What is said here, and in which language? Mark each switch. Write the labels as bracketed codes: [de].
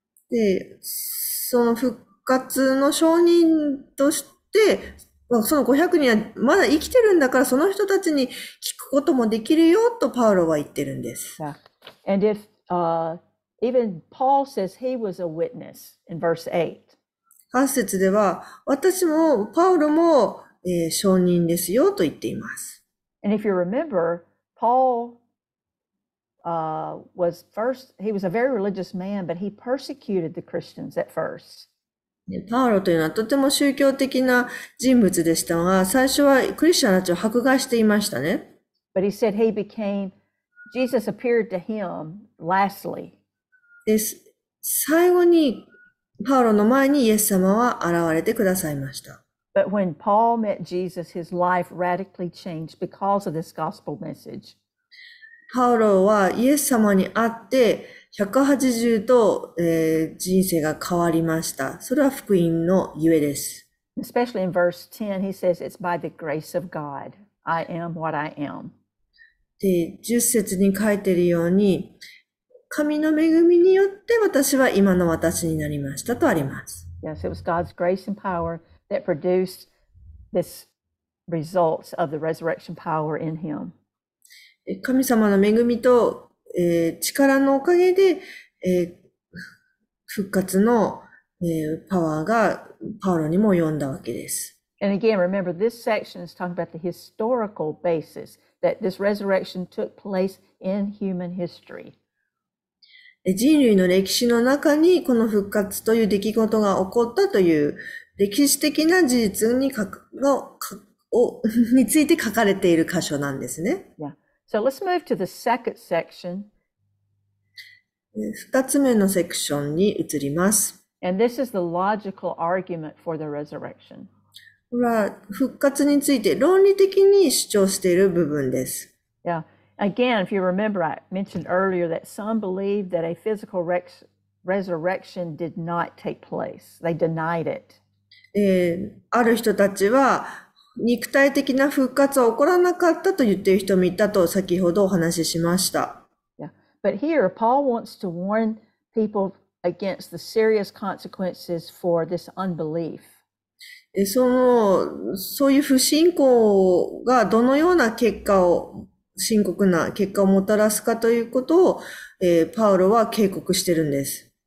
[ja] で、その復活の証人として、その500人はまだ生きてるんだから、その人たちに聞くこともできるよとパウロは言ってるんです。 [en] Yeah. And if, even Paul says he was a witness in verse 8. [ja] 8節では、私もパウロも、証人ですよと言っています。 [en] And if you remember, Paul was first, he was a very religious man, but he persecuted the Christians at first. [ja] パウロというのはとても宗教的な人物でしたが、最初はクリスチャンたちを迫害していましたね。 [en] But he said he became, Jesus appeared to him lastly. [ja] で、最後にパウロの前にイエス様は現れてくださいました。 [en] But when Paul met Jesus, his life radically changed because of this gospel message. [ja] パウロはイエス様に会って180度、人生が変わりました。それは福音のゆえです。 [en] Especially in verse 10, he says, it's by the grace of God. I am what I am. [ja] で、10節に書いているように、神の恵みによって私は今の私になりましたとあります。 [en] Yes, it was God's grace and power. That produced this results of the resurrection power in him. [ja] 神様の恵みと、力のおかげで、復活の、パワーがパウロにも及んだわけです。 [en] And again, remember, this section is talking about the historical basis that this resurrection took place in human history. [ja] 人類の歴史の中にこの復活という出来事が起こったという歴史的な事実に書くのかをについて書かれている箇所なんですね。 [en] Yeah. So let's move to the second section. [ja] 二つ目のセクションに移ります。 [en] And this is the logical argument for the resurrection. [ja] これは復活について論理的に主張している部分です。 [en] Yeah. Again, if you remember, I mentioned earlier that some believe that a physical resurrection did not take place. They denied it. [ja] ある人たちは肉体的な復活は起こらなかったと言っている人もいたと先ほどお話ししました。 [en] Yeah. But here, Paul wants to warn people against the serious consequences for this unbelief. [ja] そういう不信仰がどのような結果を、深刻な結果をもたらすかということを、パウロは警告しているんです。